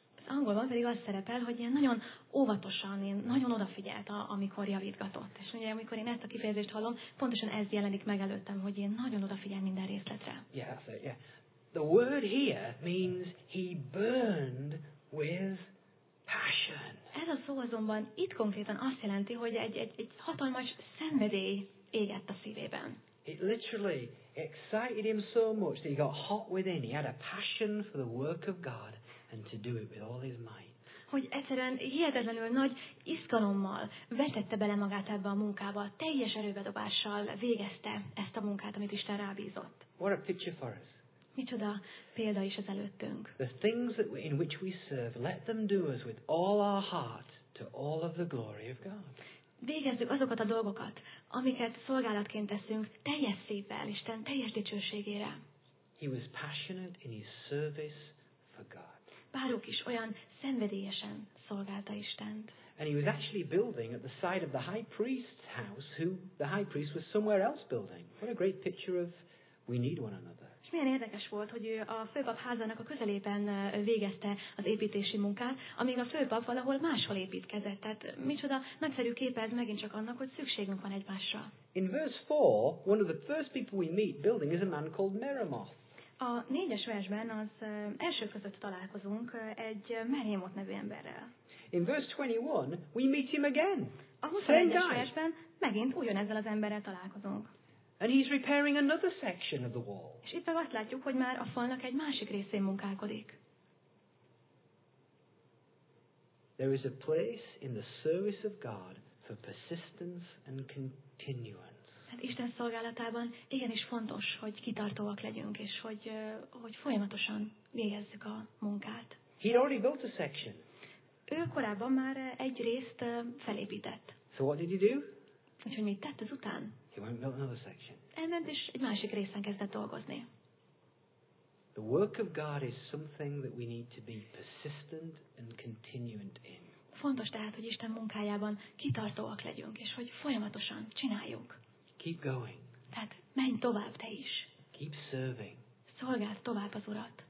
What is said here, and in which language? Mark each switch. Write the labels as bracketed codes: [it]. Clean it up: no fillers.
[hu] angolban pedig az szerepel, hogy ilyen nagyon óvatosan, én nagyon odafigyelt, amikor javítgatott. És ugye, amikor én ezt a kifejezést hallom, pontosan ez jelenik meg előttem, hogy én nagyon odafigyel minden részletre. [en] Yeah, so, yeah. The word here means he burned with passion. [hu] Ez a szó azonban itt konkrétan azt jelenti, hogy egy hatalmas szenvedély égett a szívében. [en] It literally excited him so much that he got hot within. He had a passion for the work of God. And to do it with all his might. [hu] Hogy egyszerűen hihetetlenül nagy izgalommal vetette bele magát ebbe a munkába, teljes erőbedobással végezte ezt a munkát, amit Isten rábízott. [en] What a picture for us. [hu] Micsoda példa is az előttünk. [en] The things that in which we serve, let them do us with all our heart to all of the glory of God. [hu] Végezzük azokat a dolgokat, amiket szolgálatként teszünk, teljes szívvel, Isten teljes dicsőségére. [en] He was passionate in his service for God. [hu] Bárók is olyan szenvedélyesen szolgálta Istent. [en] And he was actually building at the side of the high priest's house, who the high priest was somewhere else building. What a great picture of we need one another. [hu] És milyen érdekes volt, hogy a főpap házának a közelében végezte az építési munkát, amíg a főpap valahol máshol építkezett. Tehát micsoda nagyszerű képe ez megint csak annak, hogy szükségünk van egymásra. [en] In verse 4, one of the first people we meet building is a man called Meremoth. [hu] A négyes versben az első között találkozunk egy Meremoth nevű emberrel. [en] In verse 21, we meet him again. [hu] A 21-es versben megint ugyanezzel az emberrel találkozunk. [en] And he's repairing another section of the wall. [hu] És itt azt látjuk, hogy már a falnak egy másik részén munkálkodik. [en] There is a place in the service of God for persistence and continuance. [hu] Hát Isten szolgálatában igenis fontos, hogy kitartóak legyünk, és hogy folyamatosan végezzük a munkát. [en] He already built a section. [hu] Ő korábban már egy részt felépített. [en] So what did he do? [hu] Úgyhogy mit tett ezután? [en] He went and built another section. [hu] Elment és egy másik részen kezdett dolgozni. [en] The work of God is something that we need to be persistent and continuant in. [hu] Fontos tehát, hogy Isten munkájában kitartóak legyünk, és hogy folyamatosan csináljuk. [en] Keep going. [hu] Tehát menj tovább te is. [en] Keep serving. [hu] Szolgáld tovább az Urat.